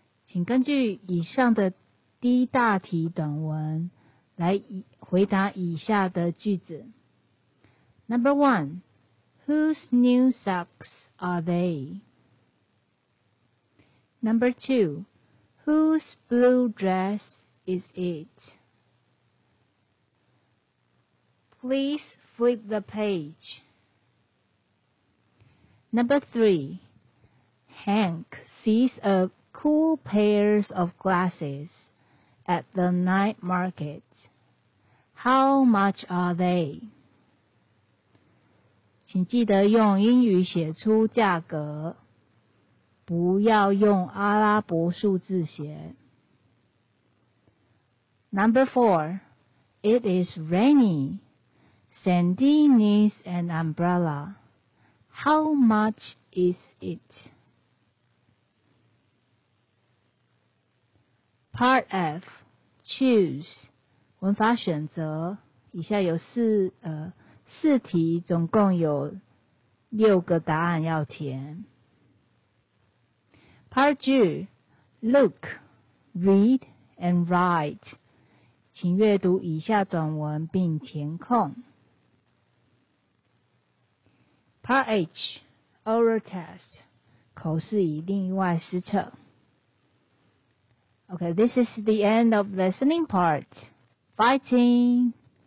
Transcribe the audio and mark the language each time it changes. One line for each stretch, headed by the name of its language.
Chinese: 请根据以上的第一大题短文来回答以下的句子。
English: Number one, whose new socks are they? Number two, whose blue dress is it? Please flip the page. Number three,Hank sees a cool pair of glasses at the night market. How much are they?
Chinese: 请记得用英语写出价格，不要用阿拉伯数字写。
English: Number four, it is rainy. Sandy needs an umbrella. How much is it? Part F, choose.
Chinese: 文法选择，以下有四题，总共有六个答案要填。
English: Part G, look, read and write.
Chinese: 请阅读以下短文并填空。
English: Part H, oral test,
Chinese: 口试以另外施测。
English: Okay, this is the end of listening part. Fighting!